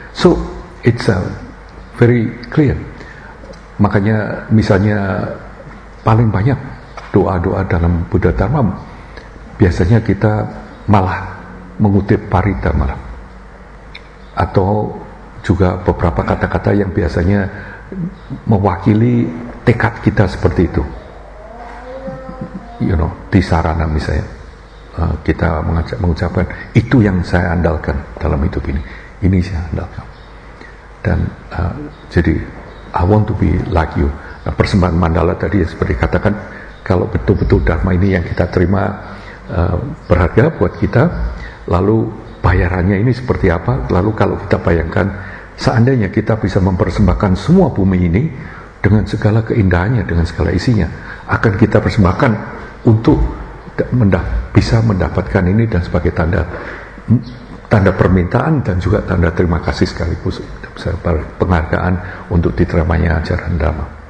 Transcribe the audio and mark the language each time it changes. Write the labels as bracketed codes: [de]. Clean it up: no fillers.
[en] So it's very clear. [id] Makanya misalnya paling banyak doa-doa dalam Buddha Dharma biasanya kita malah mengutip parita malah, atau juga beberapa kata-kata yang biasanya mewakili tekad kita seperti itu. [en] You know, [id] di sarana misalnya kita mengucapkan itu yang saya andalkan dalam hidup ini saya andalkan. Dan jadi [en] I want to be like you. [id] Nah, persembahan mandala tadi seperti katakan, kalau betul-betul dharma ini yang kita terima berharga buat kita, lalu bayarannya ini seperti apa, lalu kalau kita bayangkan seandainya kita bisa mempersembahkan semua bumi ini dengan segala keindahannya, dengan segala isinya, akan kita persembahkan untuk bisa mendapatkan ini, dan sebagai tanda tanda permintaan dan juga tanda terima kasih sekaligus penghargaan untuk diterimanya ajaran Dharma.